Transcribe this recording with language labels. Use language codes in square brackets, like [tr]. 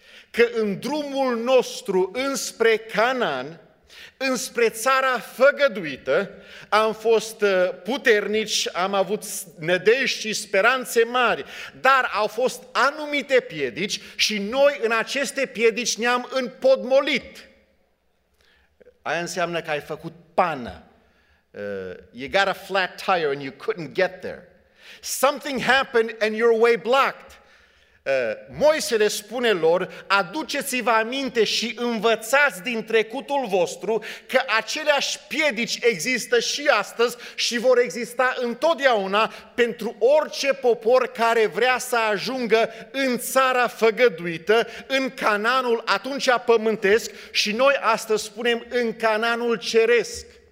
[ro] că în drumul nostru înspre Canaan, înspre țara făgăduită, am fost puternici, am avut nădejde și speranțe mari, dar au fost anumite piedici și noi în aceste piedici ne-am împodmolit. Aia înseamnă că ai făcut pană. [en] You got a flat tire and you couldn't get there. Something happened and your way blocked. [ro] Moise le spune lor: aduceți-vă aminte și învățați din trecutul vostru că aceleași piedici există și astăzi și vor exista întotdeauna pentru orice popor care vrea să ajungă în țara făgăduită, în Canaanul atunci pământesc și noi astăzi spunem în Canaanul ceresc.